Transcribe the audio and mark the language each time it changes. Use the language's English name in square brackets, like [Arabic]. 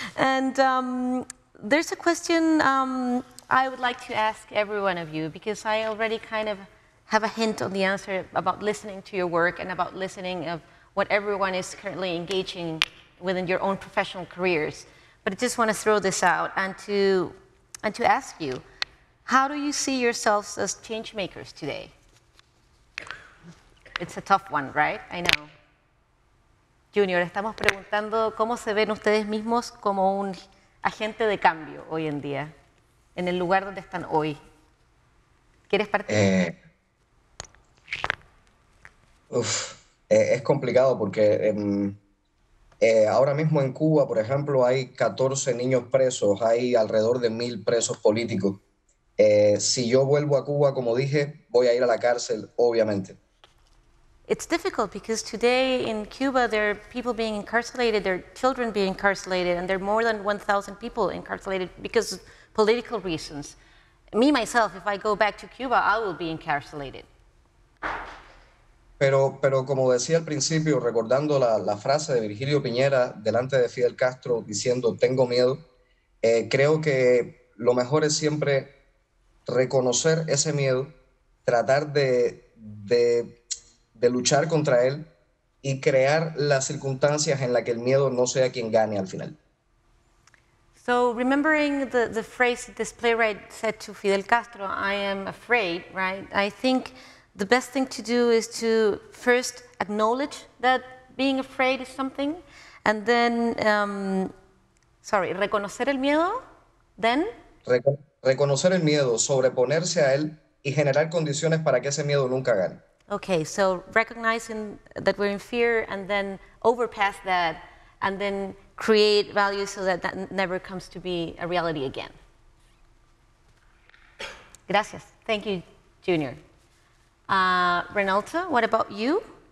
[English] And there's a question I would like to ask every one of you, because I already kind of have a hint on the answer about listening to your work and about listening of what everyone is currently engaging within your own professional careers. But I just want to throw this out and to ask you, how do you see yourselves as change makers today? It's a tough one, right? I know. [Spanish] Junior, estamos preguntando cómo se ven ustedes mismos como un agente de cambio hoy en día, en el lugar donde están hoy. ¿Quieres partir? Es complicado porque ahora mismo en Cuba, por ejemplo, hay 14 niños presos, hay alrededor de 1,000 presos políticos. Si yo vuelvo a Cuba, como dije, voy a ir a la cárcel, obviamente. [English] It's difficult because today in Cuba there are people being incarcerated, there are children being incarcerated, and there are more than 1,000 people incarcerated because of political reasons. Me, myself, if I go back to Cuba, I will be incarcerated. [Spanish] Pero como decía al principio, recordando la frase de Virgilio Piñera delante de Fidel Castro diciendo, tengo miedo, creo que lo mejor es siempre reconocer ese miedo, tratar de luchar contra él y crear las circunstancias en las que el miedo no sea quien gane al final. [English] So remembering the phrase this playwright said to Fidel Castro, I am afraid, right? I think the best thing to do is to first acknowledge that being afraid is something, and then, [Spanish] reconocer el miedo, [English] then? [Spanish] Reconocer el miedo, sobreponerse a él y generar condiciones para que ese miedo nunca gane. [English] Okay, so recognizing that we're in fear and then overpass that and then create values so that that never comes to be a reality again. Gracias. Thank you, Junior. Renalta, what about you?